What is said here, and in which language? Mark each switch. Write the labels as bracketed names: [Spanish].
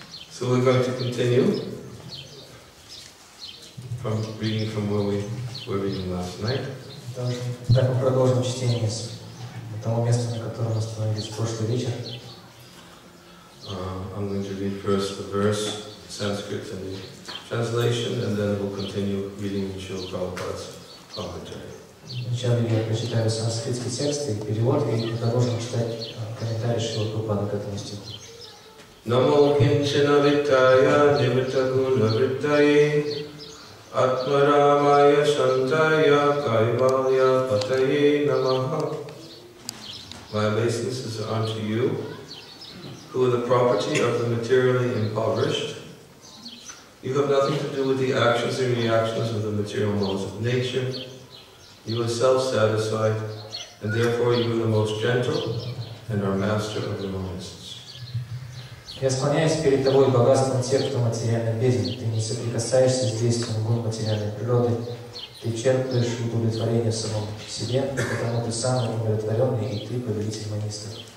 [English] So we're going to continue from reading from where we were reading last night. [Russian] Так продолжим чтение с того места, на котором мы остановились в прошлый вечер. [English] I'm going to read first the verse in Sanskrit and the translation, and then we'll continue reading Srila Prabhupada's commentary. [Russian] Сначала я прочитаю санскритский текст и перевод, и продолжим читать комментарии Шрила Прабхупады к этому стиху. [Sanskrit] Namo kinchana vittaya nivritta guna vrittaye atmaramaya shantaya kaivalya pataye namaha. [English] My obeisances are unto you, who are the property of the materially impoverished. You have nothing to do with the actions and reactions of the material modes of nature. You are self-satisfied, and therefore you are the most gentle and are master of the moments. [Russian] Я склоняюсь перед тобой богатством тех, кто материально беден. Ты не соприкасаешься с действием гун материальной природы. Ты черпаешь удовлетворение в самом себе, и потому ты самый удовлетворенный, и ты повелитель манистов.